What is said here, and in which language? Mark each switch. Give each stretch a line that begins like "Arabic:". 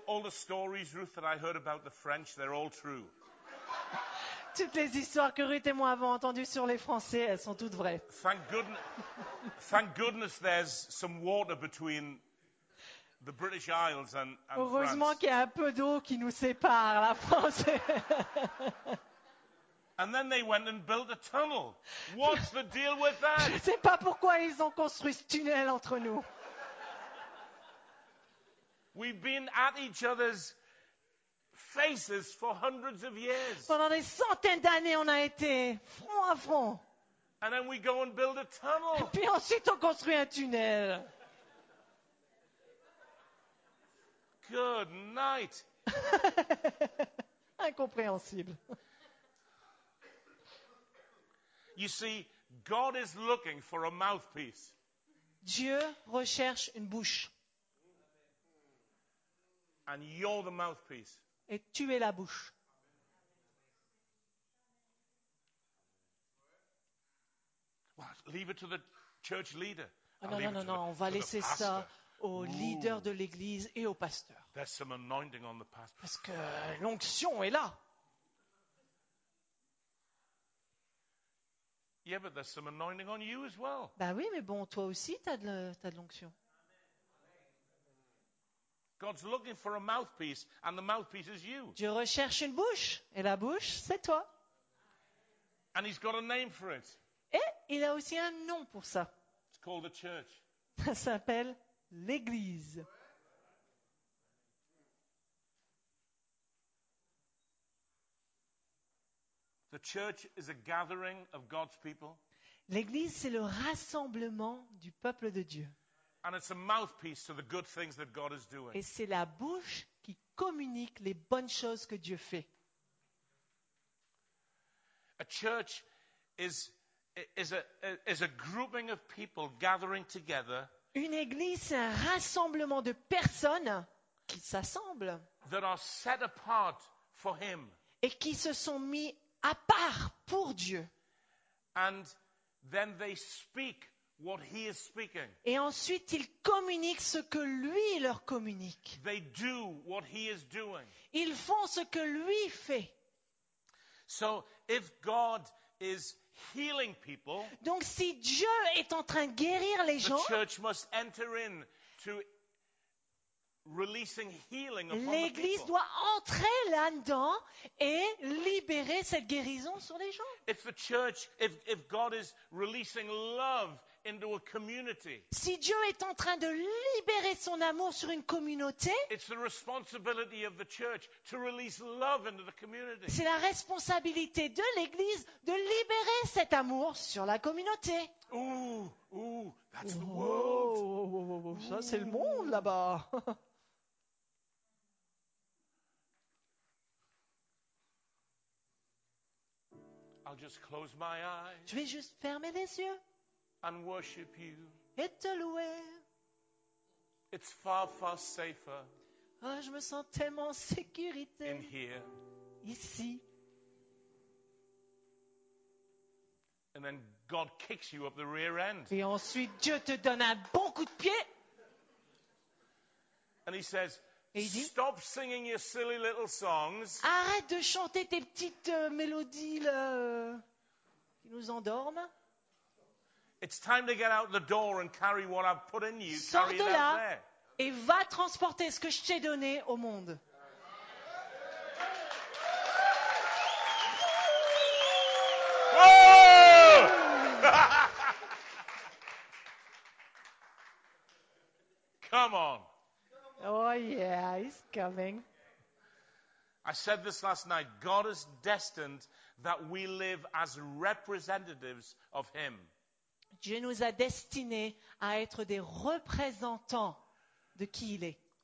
English: Stories Ruth that I heard about the French, they're all true.
French: Toutes les histoires que Ruth et moi avons entendues sur les Français, elles sont toutes vraies.
English: Thank goodness there's some water between the British Isles and France.
French: Heureusement qu'il y a un peu d'eau qui nous sépare la France.
English: And then they went and built a tunnel. What's the deal with that?
French: Je sais pas pourquoi ils ont construit ce tunnel entre nous.
English: We've been at each other's faces for hundreds of years.
French: Pendant des centaines d'années, on a été front à front.
English: And then we go and build a tunnel.
French: Et puis ensuite, on construit un tunnel.
English: Good night.
French: Incompréhensible.
English: You see, God is looking for a mouthpiece.
French: Dieu recherche une bouche.
English: And you're the mouthpiece.
French: Et tu es la bouche.
English: Well, leave it to the church leader.
French: Oh, non, on va laisser ça au leader de l'église et au pasteur.
English: There's some anointing on the pastor.
French: Parce que l'onction est là.
English: Yeah, but there's some anointing on you as well.
French: Ben oui, mais bon, toi aussi, t'as de l'onction.
English: God's looking for a mouthpiece, and the mouthpiece is you.
French: Dieu recherche une bouche, et la bouche, c'est toi.
English: And he's got a name for it.
French: Et il a aussi un nom pour ça.
English: It's called the church.
French: Ça s'appelle l'église.
English: The church is a gathering of God's people.
French: L'église, c'est le rassemblement du peuple de Dieu.
English: And it's a mouthpiece to the good things that God is doing.
French: Et c'est la bouche qui communique les bonnes choses que Dieu fait.
English: A church is a grouping of people gathering together.
French: Une église, c'est un rassemblement de personnes qui s'assemblent.
English: That are set apart for Him.
French: Et qui se sont mis à part pour Dieu.
English: And then they speak. What he is speaking.
French: Et ensuite, ils communiquent ce que lui leur communique.
English: They do what he is doing.
French: Ils font ce que lui fait.
English: So, if God is healing people,
French: donc si Dieu est en train de guérir les
English: the
French: gens,
English: church must enter in to releasing healing upon
French: l'église
English: the people.
French: Doit entrer là-dedans et libérer cette guérison sur les gens.
English: If the church, if God is releasing love into a community.
French: Si Dieu est en train de libérer son amour sur une communauté,
English: it's the responsibility of the church to release love into the community.
French: C'est la responsabilité de l'église de libérer cet amour sur la communauté.
English: Ooh, that's the world.
French: Ooh. Ça c'est le monde là-bas.
English: I'll just close my eyes.
French: Je vais juste fermer les yeux.
English: And worship you.
French: Et te louer.
English: It's far, far safer.
French: Oh, je me sens tellement en sécurité.
English: In here.
French: Ici.
English: And then God kicks you up the rear end.
French: Et ensuite Dieu te donne un bon coup de pied.
English: And he says, stop singing your silly little songs.
French: Arrête de chanter tes petites mélodies là, qui nous endorment.
English: It's time to get out the door and carry what I've put in you.
French: Sors de là et va transporter ce que je t'ai donné au monde.
English: Come on. Oh, yeah, he's coming. I said this last night. God is destined that we live as representatives of him.
French: Dieu nous a destinés à être des représentants de qui il est.